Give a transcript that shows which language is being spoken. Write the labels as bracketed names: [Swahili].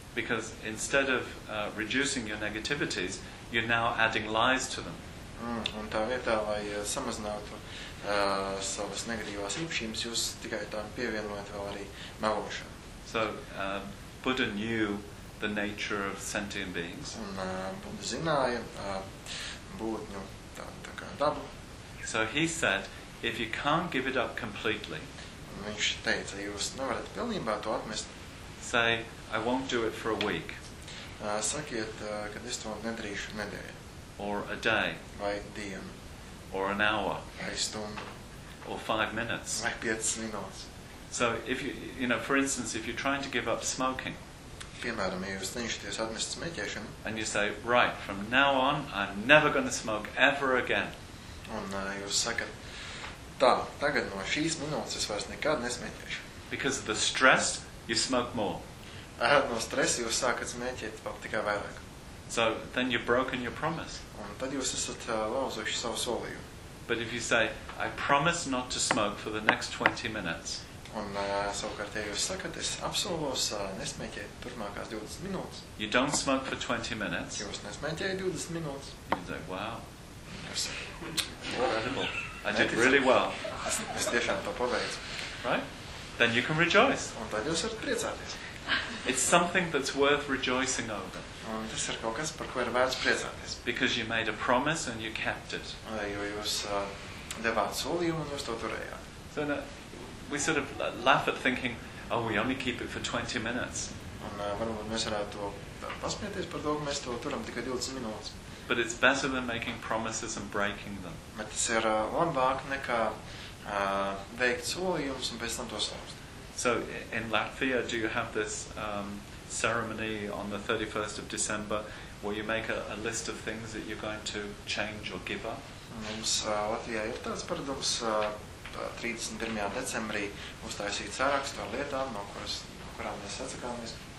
[English] Because instead of reducing your negativities, you're now adding lies to them. [Latvian] Un tā vietā, lai samazinātu savas negatīvās īpašības, jūs tikai tām pievienojat vēl arī melošanu. [English] So, Buddha knew the nature of sentient beings. [Latvian] Un Buddha zināja būtņu tā kā dabu. [English] So he said, if you can't give it up completely, [Latvian] un viņš teica, jūs nevarat pilnībā to atmest, [English] say, I won't do it for a week. [Latvian] Sakiet, kad es to nedarīšu nedēļu. [English] Or a day. [Latvian] Vai dienu. [English] Or an hour. [Latvian] Vai stundu. [English] Or 5 minutes. [Latvian] Vai 5 minūtes. [English] So if you know, for instance, if you're trying to give up smoking. [Latvian] Piemēram, ja jūs cenšaties atmest smēķēšanu. [English] And you say, right, from now on, I'm never going to smoke ever again. [Latvian] Un jūs sakat, tā, tagad no šīs minūtes es vairs nekad nesmēķēšu. [English] Because of the stress, you smoke more. [Latvian] No stresa jūs sākat smēķēt tikai vairāk. [English] So then you've broken your promise. [Latvian] Un tad jūs esat lauzuši savu solījumu. [English] But if you say, I promise not to smoke for the next 20 minutes. [Latvian] Un savukārt, ja jūs sakat, es apsolos nesmēķēt turpmākās 20 minūtes. [English] You don't smoke for 20 minutes. [Latvian] Jūs nesmēķējat 20 minutes. [English] You say, wow. Incredible. I did really well. [Latvian] Es tiešām to paveicu. [English] Right? Then you can rejoice. [Latvian] Un tad jūs varat priecāties. [English] It's something that's worth rejoicing over. [Latvian] Un tas ir kaut kas, par ko ir vērts priecāties. [English] Because you made a promise and you kept it. [Latvian] Jo jūs devāt solījumu un jūs to turējāt. [English] So now, we sort of laugh at thinking, oh, we only keep it for 20 minutes. [Latvian] Un varbūt mēs varētu to pasmieties par to, ka mēs to turam tikai 20 minūtes. [English] But it's better than making promises and breaking them. [Latvian] Bet tas ir labāk nekā veikt solījumus un pēc tam tos lauzt. [English] So in Latvia, do you have this ceremony on the 31st of December where you make a list of things that you're going to change or give up? [Latvian] Mums Latvijā ir tāds paradums, 31. Decembrī uztaisīt sarakstu ar lietām, no kuras, no kurām mēs atsakāmies.